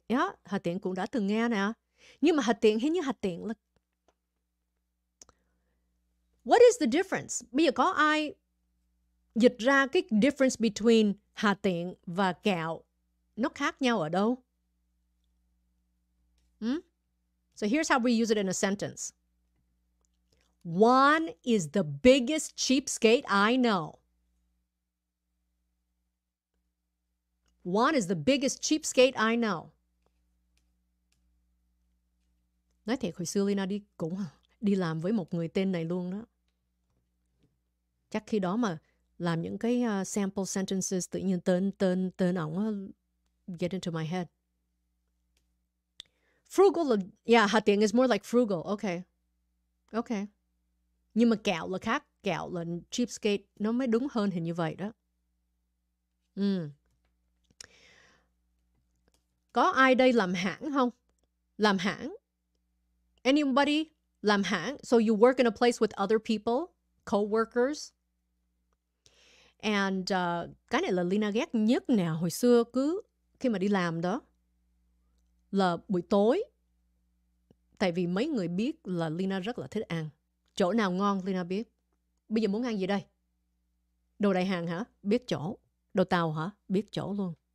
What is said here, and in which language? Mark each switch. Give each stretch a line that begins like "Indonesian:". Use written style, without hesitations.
Vietnamese: Yeah, hà tiện cũng đã từng nghe nè. Nhưng mà hà tiện hình như hà tiện là...
English: What is the difference?
Vietnamese: Bây giờ có ai dịch ra cái difference between hà tiện và kẹo? Nó khác nhau ở đâu?
English: So here's how we use it in a sentence. Juan is the biggest cheapskate I know. Juan is the biggest cheapskate I know.
Vietnamese: Nói thiệt, hồi xưa Lina đi cũng đi làm với một người tên này luôn đó. Chắc khi đó mà làm những cái sample sentences tự nhiên tên ổng
English: get into my head. Frugal, yeah, hà tiện is more like frugal. Okay. Okay.
Vietnamese: Nhưng mà kẹo là khác. Kẹo là cheapskate. Nó mới đúng hơn hình như vậy đó. Có ai đây làm hãng không? Làm hãng? anybody làm hãng.
English: So you work in a place with other people, co-workers.
Vietnamese: And cái này là Lina ghét nhất nè. Hồi xưa cứ khi mà đi làm đó là buổi tối. Tại vì mấy người biết là Lina rất là thích ăn. Chỗ nào ngon Lina biết. Bây giờ muốn ăn gì đây? Đồ đại hàng hả? Biết chỗ. Đồ tàu hả? Biết chỗ luôn.